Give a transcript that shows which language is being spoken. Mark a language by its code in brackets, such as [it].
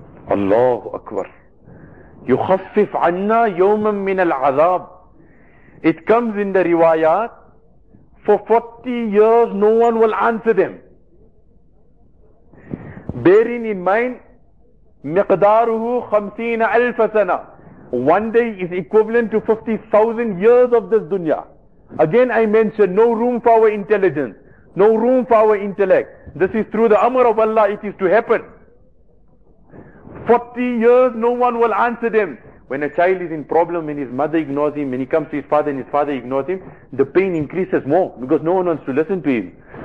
[ar] Allahu Akbar. يُخَفِّفْ عَنَّا يَوْمًا مِّنَ الْعَذَابِ. [en] It comes in the riwayat, for 40 years, no one will answer them. Bearing in mind, [ar] مِقْدَارُهُ خَمْسِينَ أَلْفَ سَنَى. [en] One day is equivalent to 50,000 years of this dunya. Again I mentioned, no room for our intelligence. No room for our intellect. This is through the amr of Allah, it is to happen. 40 years, no one will answer them. When a child is in problem and his mother ignores him, when he comes to his father ignores him, the pain increases more because no one wants to listen to him.